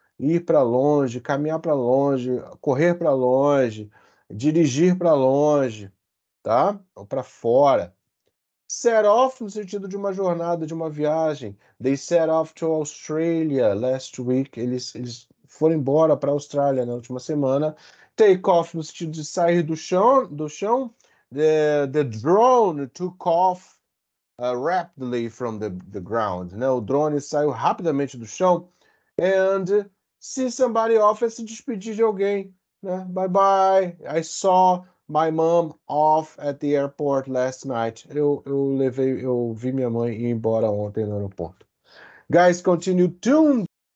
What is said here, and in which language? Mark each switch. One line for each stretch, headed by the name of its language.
Portuguese: Ir para longe, caminhar para longe, correr para longe, dirigir para longe, tá? Ou para fora. Set off no sentido de uma jornada, de uma viagem.
English: They set off to Australia last week.
Portuguese: Eles foram embora para a Austrália na última semana. Take off no sentido de sair do chão.
English: The drone took off rapidly from the ground.
Portuguese: Né? O drone saiu rapidamente do chão. And see somebody off é se despedir de alguém. Né? Bye bye.
English: I saw my mom off at the airport last night.
Portuguese: Eu vi minha mãe ir embora ontem no aeroporto.
English: Guys, continue tuned.